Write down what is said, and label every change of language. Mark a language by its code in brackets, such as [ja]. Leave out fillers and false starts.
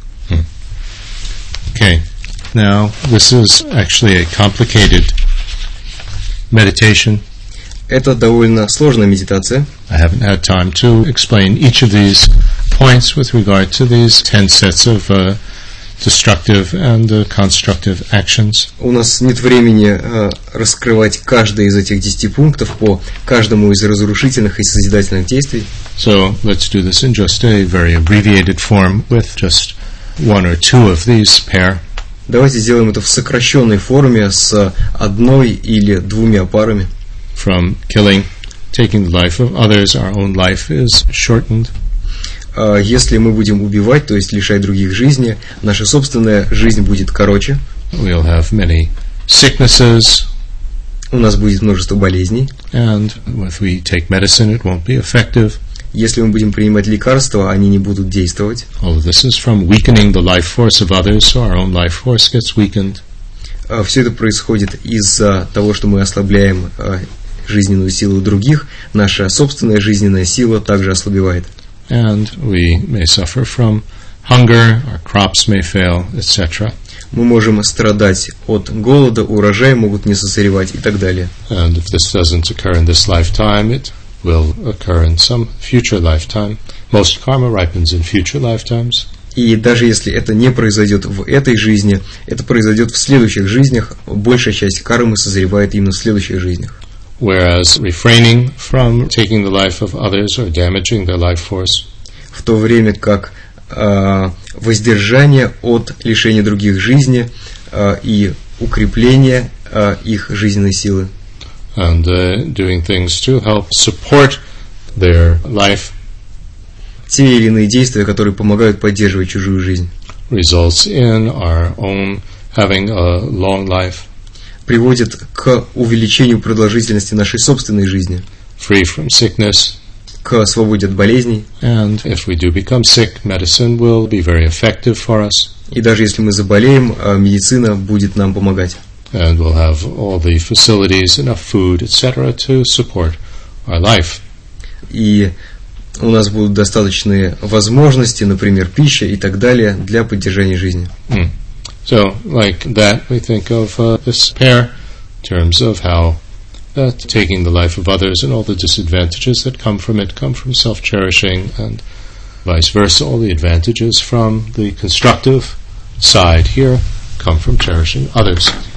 [en] Okay. Now, this is actually a complicated meditation. [ru] Это довольно сложная медитация. [en] I haven't had time to explain each of these points with regard to these 10 sets of destructive and constructive actions. [ru] У нас нет времени раскрывать каждый из этих 10 пунктов по каждому из разрушительных и созидательных действий. [en] So, let's do this in just a very abbreviated form with just one or two of these pair. [ru] Давайте сделаем это в сокращенной форме с одной или двумя парами. [en] From killing, taking the life of others, our own life is shortened. [ru] Если мы будем убивать, то есть лишать других жизни, наша собственная жизнь будет короче. [en] We'll have many sicknesses. [ru] У нас будет множество болезней. [en] And if we take medicine, it won't be effective. [ru] Если мы будем принимать лекарства, они не будут действовать. [en] All of this is from weakening the life force of others, so our own life force gets weakened. [ru] Все это происходит из-за того, что мы ослабляем жизненную силу других, наша собственная жизненная сила также ослабевает. [en] And we may suffer from hunger, our crops may fail, etc. [ru] Мы можем страдать от голода, урожаи могут не созревать и так далее. [en] And if this doesn't occur in this lifetime, it will occur in some future lifetime. Most karma ripens in future lifetimes. [ru] И даже если это не произойдет в этой жизни, это произойдет в следующих жизнях. Большая часть кармы созревает именно в следующих жизнях. [en] Whereas refraining from taking the life of others or damaging their life force. [ru] В то время как воздержание от лишения других жизни и укрепление их жизненной силы. [en] And doing things to help support their life. [ru] Те или иные действия, которые помогают поддерживать чужую жизнь. [en] Results in our own having a long life. [ru] Приводит к увеличению продолжительности нашей собственной жизни. [en] Free from sickness. [ru] К свободе от болезней. [en] And if we do become sick, medicine will be very effective for us. [ru] И даже если мы заболеем, медицина будет нам помогать. [en] And we'll have all the facilities, enough food, etc. to support our life. [ru] И у нас будут достаточные возможности, например, пища и так далее, для поддержания жизни. [en] So, like that, we think of this pair in terms of how that taking the life of others and all the disadvantages that come from it come from self-cherishing and vice versa, all the advantages from the constructive side here come from cherishing others.